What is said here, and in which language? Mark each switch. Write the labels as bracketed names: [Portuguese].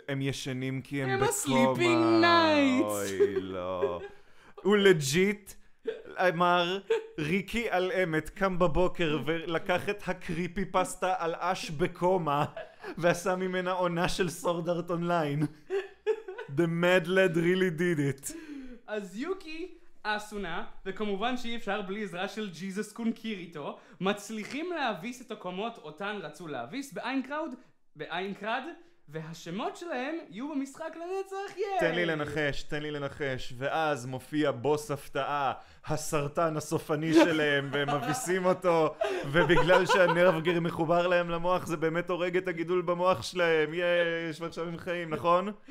[Hebrew] הם ישנים כי הם בקומה. הם הסליפינג נייט. אוי, לא. הוא לג'יט אמר, ריקי על אמת קם בבוקר ולקח את הקריפי פסטה על אש בקומה, ועשה ממנה עונה של סורד ארט אונליין. [English] The mad lad really did it. [Hebrew] אז יוקי... אסונה, וכמובן שאי אפשר בלי עזרה של ג'יזוס קונקיריטו, מצליחים להביס את הקומות אותן רצו להביס באיינקראוד, באיינקראד, והשמות שלהם יהיו במשחק לנצח, ייי! תן לי לנחש, תן לי לנחש, ואז מופיע בוס הפתעה, הסרטן הסופני שלהם, והם מביסים אותו, ובגלל שהנרב גיר מחובר להם למוח, זה באמת הורג את הגידול במוח שלהם, ייי, יש ועכשיו הם חיים, נכון?